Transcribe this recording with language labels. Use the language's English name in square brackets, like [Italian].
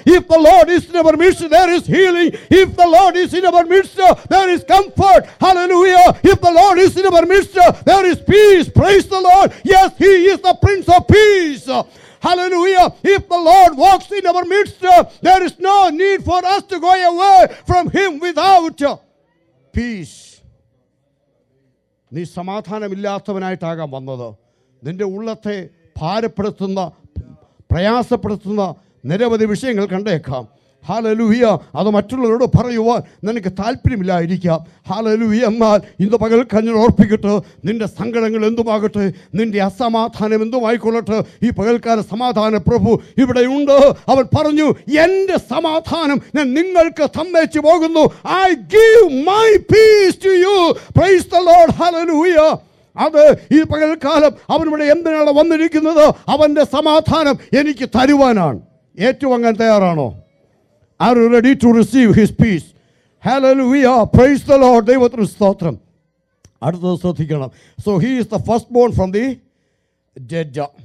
[English] If the Lord is in our midst, there is healing. If the Lord is in our midst, there is comfort. Hallelujah. If the Lord is in our midst, there is peace. Praise the Lord. Yes, he is the Prince of Peace. Hallelujah. If the Lord walks in our midst, there is no need for us to go away from him without peace. [Malayalam] നീ സമാധാനമില്ലാത്തവനായിട്ടാകാം വന്നത്. നിന്റെ ഉള്ളത്തെ ഭാരപ്പെടുത്തുന്ന, പ്രയാസപ്പെടുത്തുന്ന നിരവധി വിഷയങ്ങൾ കണ്ടേക്കാം. Hallelujah, അത് മറ്റുള്ളവരോട് പറയുവാൻ നിനക്ക് താല്പര്യമില്ലായിരിക്കാം. ഹല്ലേലൂയ, എന്നാൽ ഇന്ന് പകൽ കഞ്ഞി ഓർപ്പിക്കട്ട്. നിന്റെ സങ്കടങ്ങൾ എന്തുമാകട്ടെ, നിന്റെ അസമാധാനം എന്തുമായിക്കൊള്ളട്ടെ, ഈ പകൽക്കാല സമാധാന പ്രഭു ഇവിടെയുണ്ട്. അവൻ പറഞ്ഞു, എൻ്റെ സമാധാനം ഞാൻ നിങ്ങൾക്ക് സമ്മതിച്ചു പോകുന്നു. [English] I give my peace to you. Praise the lord. Hallelujah. [Malayalam] അത് ഈ പകൽക്കാലം അവനിവിടെ എന്തിനാണ് വന്നിരിക്കുന്നത്? അവൻ്റെ സമാധാനം എനിക്ക് തരുവാനാണ്. ഏറ്റുവാങ്ങാൻ തയ്യാറാണോ? [English] Are you ready to receive his peace? Hallelujah. Praise the Lord. [Malayalam] Devathru stotram. Adutha sothikanam. [English] So he is the firstborn from the dead.